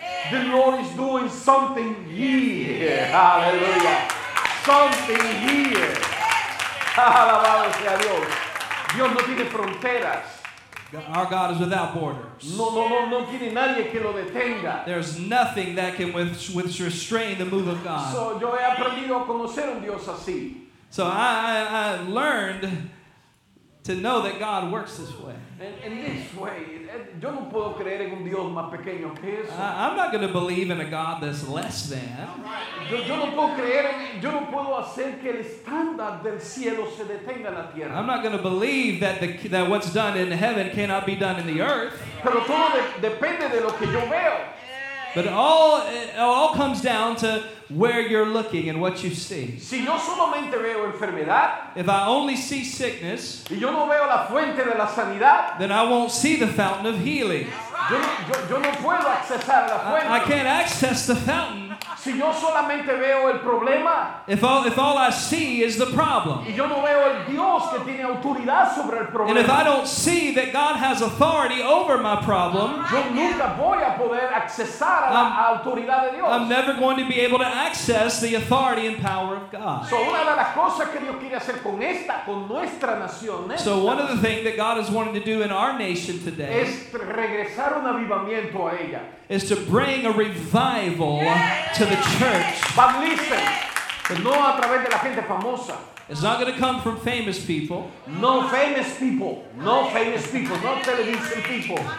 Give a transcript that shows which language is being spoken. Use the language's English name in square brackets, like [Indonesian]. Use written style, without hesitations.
[English] The Lord is doing something here. Hallelujah. Something here. [Spanish] Alabado sea Dios. Dios no tiene fronteras. [English] Our God is without borders. [Spanish] No tiene nadie que lo detenga. [English] There's nothing that can with restrain the move of God. [Spanish] So yo he aprendido a conocer un Dios así. [English] So I learned To know that God works this way. In this way, [Spanish] yo no puedo creer en un Dios más pequeño que eso. [English] I'm not going to believe in a God that's less than. [Spanish] Yo no puedo creer, yo no puedo hacer que el estándar del cielo se detenga en la tierra. [English] I'm not going to believe that that what's done in heaven cannot be done in the earth. [Spanish] Pero todo depende de lo que yo veo. [English] But it all comes down to where you're looking and what you see. [Spanish] Si yo solamente veo enfermedad, [English] if I only see sickness, [Spanish] y yo no veo la fuente de la sanidad, [English] then I won't see the fountain of healing. [Spanish] Yo no puedo accesar la fuente. [English] I can't access the fountain. [Spanish] Si yo solamente veo el problema, [English] if all I see is the problem, [Spanish] y yo no veo el Dios que tiene autoridad sobre el problema, [English] and if I don't see that God has authority over my problem, [Spanish] yo nunca voy a poder accesar a la autoridad de Dios. [English] I'm never going to be able to access the authority and power of God. [Spanish] So una de las cosas que Dios quiere hacer con esta, con nuestra nación, esta, [English] so one of the things that God is wanting to do in our nation today [Spanish] es regresar un avivamiento a ella. [English] Is to bring a revival to the church. But listen, [Spanish] no a través de la gente famosa. [English] It's not going to come from famous people. No famous people. No famous people. Not television people.